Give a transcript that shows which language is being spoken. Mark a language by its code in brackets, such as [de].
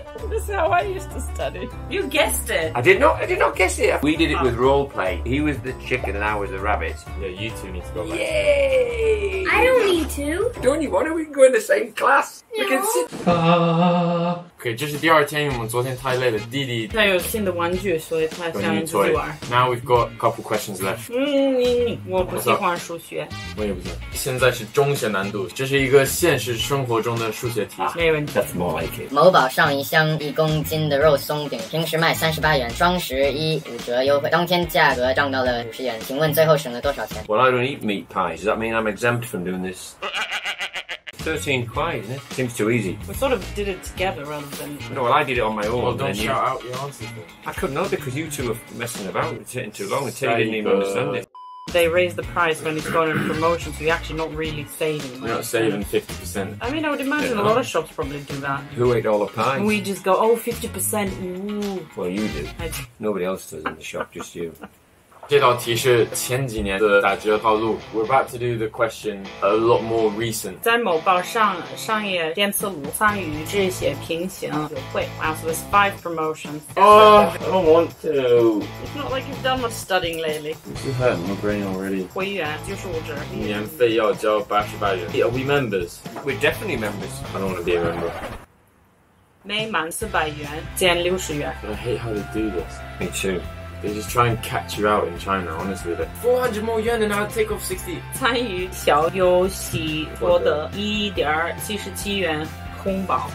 [en] This is how I used to study. You guessed it. I did not guess it. We did it with role play. He was the chicken and I was the rabbit. Yeah, you two need to go back. Yay! I don't need to. Don't you want to? We can go in the same class. No. We can sit. [zh] Okay, 这是第二天，我们昨天太累了。弟弟，他有新的玩具，所以他想自己玩。 [en] Now we've got a couple questions left. [zh] 我不喜欢数学。我也不喜欢。现在是中学难度，这是一个现实生活中的数学题。没问题。 [en] That's more like it. [zh] 某宝上一箱一公斤的肉松饼，平时卖38元，双十一五折优惠，当天价格涨到了50元，请问最后省了多少钱 [en] ？Well, I don't eat meat pies. Does that mean I'm exempt from doing this? 13 quite, isn't it? Seems too easy. We sort of did it together rather than... No, well, I did it on my own. Well, don't shout out your answers, though. I could not because you two were messing about. It's taking too long. Teddy didn't even understand it. They raise the price when it's going on promotion, so you're actually not really saving. You're not saving 50%. I mean, I would imagine a lot of shops probably do that. Who ate all the pies? We just go, oh, 50%. Ooh. Well, you do. Nobody else does in the shop, just you. [zh] 这道题是前几年的打折套路。 [en] We're about to do the question a lot more recent. [zh] 在某宝上，商业电磁炉参与这些平行优惠。 [en] Wow, so there's 5 promotions. Oh, I don't want to. It's not like you've done much studying lately. This is hurting my brain already. [zh] 会员就是我这儿。年费要交88元。 [en] Are we members? We're definitely members. I don't want to be a member. [zh] 每满400元减60元。 [en] I hate how they do this. Me too. They just try and catch you out in China, honestly. Like, 400 more yuan and I'll take off 60. [zh] 参与小游戏获得1.77元红包。